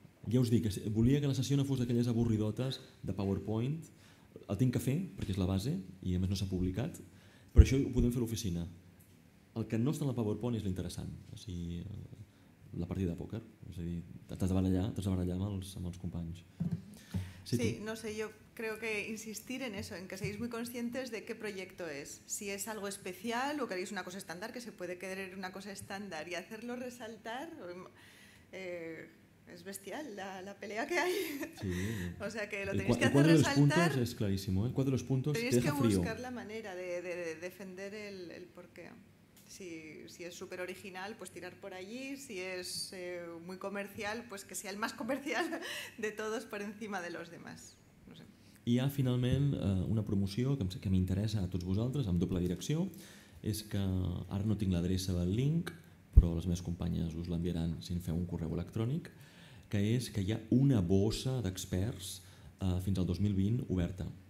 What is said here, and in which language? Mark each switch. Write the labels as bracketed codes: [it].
[ca] ja us dic, volia que la sessió no fos d'aquelles avorridotes de PowerPoint. El tinc que fer, perquè és la base, i a més no s'ha publicat, però això ho podem fer a l'oficina. El que no està en la PowerPoint és l'interessant, o sigui, la partida de pòquer. És a dir, t'has de barallar amb els companys. [es] Sí, no sé, jo creo que insistir en eso, en que seáis muy conscientes de qué proyecto es. Si es algo especial o queréis una cosa estándar, que se puede querer una cosa estándar y hacerlo resaltar, es bestial la pelea que hay. Sí. O sea que lo tenéis que hacer resaltar. El cuadro de los puntos es clarísimo, el cuadro de los puntos tenéis deja que frío. Buscar la manera de defender el porqué. Si es súper original, pues tirar por allí. Si es muy comercial, pues que sea el más comercial de todos por encima de los demás. No sé. [ca] Hi ha finalment una promoció que m'interessa a tots vosaltres, amb doble direcció, és que ara no tinc l'adreça del link, però les meves companyes us l'enviaran si en feu un correu electrònic, que és que hi ha una bossa d'experts fins al 2020 oberta.